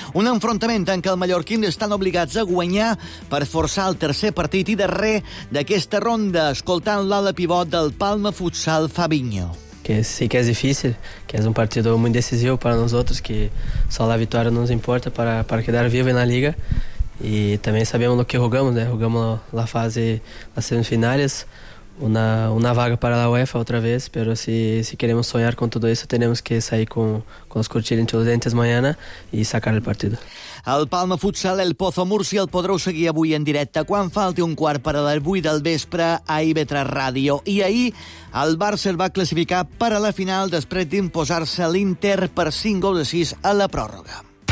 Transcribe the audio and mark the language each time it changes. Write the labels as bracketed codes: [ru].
[ca] Un enfrontament en què els mallorquins estan obligats a guanyar per forçar el tercer partit i darrer d'aquesta ronda, escoltant l'ala pivot del Palma Futsal, Fabinho. Que sí que és difícil, que és un partit molt decisiu per a nosaltres, que só la victòria no ens importa per quedar vivo en la Lliga. [es] Y también sabemos lo que jugamos, ¿no? Jugamos la fase, las semifinales, una vaga para la UEFA otra vez, pero si queremos soñar con todo eso, tenemos que salir con los cuchillos entre los dientes mañana y sacar el partido. [ca] El Palma Futsal, el Pozo Múrcia, el podreu seguir avui en directe quan falti un quart per a les 8 del vespre a IB3 Ràdio. I ahir el Barça va classificar per a la final després d'imposar-se l'Inter per 5-6 a la pròrroga.